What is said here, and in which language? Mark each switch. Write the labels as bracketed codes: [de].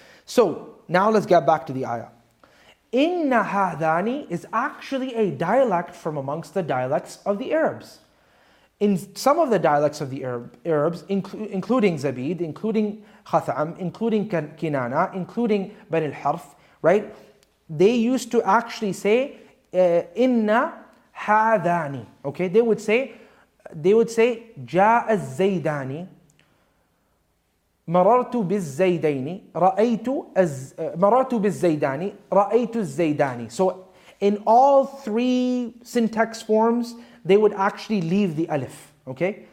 [en] So, now let's get back to the ayah. Inna hadhani is actually a dialect from amongst the dialects of the Arabs. In some of the dialects of the Arabs, including Zabid, including Khatham, including Kinana, including Bani al-Harf, right? They used to actually say, inna hadhani, okay? They would say, [ar] جَاءَ الزَّيْدَانِ مَرَرْتُ بِالزَّيْدَيْنِ مَرَرْتُ بِالزَّيْدَانِ رَأَيْتُ الزَّيْدَانِ. [en] So in all three syntax forms, they would actually leave the alif. Okay?